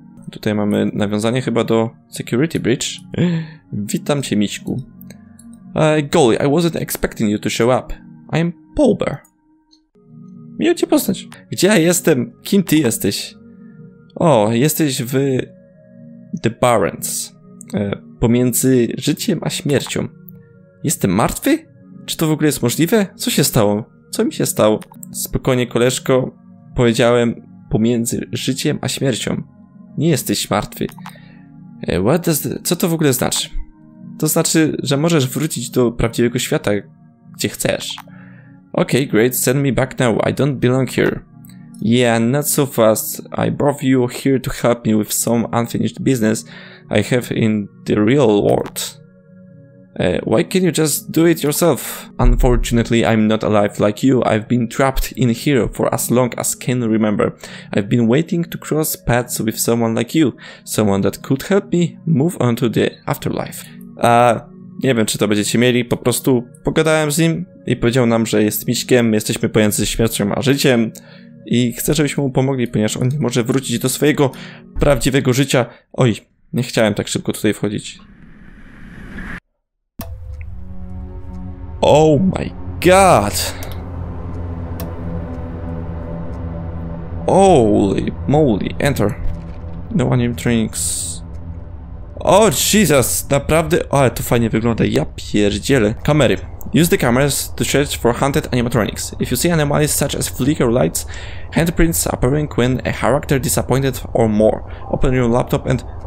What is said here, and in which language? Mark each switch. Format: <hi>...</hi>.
<pl>Tutaj mamy nawiązanie chyba do Security Breach. Witam cię, Miśku.</pl> <en>Golly, I wasn't expecting you to show up. I'm Paul Bear.</en> <pl>Miło cię poznać. Gdzie ja jestem? Kim ty jesteś? O, jesteś w... The Barrens. Pomiędzy życiem a śmiercią. Jestem martwy? Czy to w ogóle jest możliwe? Co się stało? Co mi się stało? Spokojnie, koleżko. Powiedziałem, pomiędzy życiem a śmiercią. Nie jesteś martwy. Co to w ogóle znaczy? To znaczy, że możesz wrócić do prawdziwego świata, gdzie chcesz.</pl> <en>Okay, great, send me back now. I don't belong here. Yeah, not so fast. I brought you here to help me with some unfinished business I have in the real world. Why can't you just do it yourself? Unfortunately, I'm not alive like you. I've been trapped in here for as long as can remember. I've been waiting to cross paths with someone like you. Someone that could help me move on to the afterlife.</en> <pl>Nie wiem, czy to będziecie mieli. Po prostu pogadałem z nim i powiedział nam, że jest miśkiem. Jesteśmy pojęci śmiercią a życiem. I chcę, żebyśmy mu pomogli, ponieważ on nie może wrócić do swojego prawdziwego życia. Oj, nie chciałem tak szybko tutaj wchodzić.</pl> <en>Oh my god! Holy moly, enter. No animatronics.</en> <pl>O, Jesus! Naprawdę? Ale to fajnie wygląda, ja pierdzielę. Kamery.</pl> <en>Use the cameras to search for haunted animatronics. If you see anomalies such as flicker lights, handprints appearing when a character disappointed or more, open your laptop and...</en>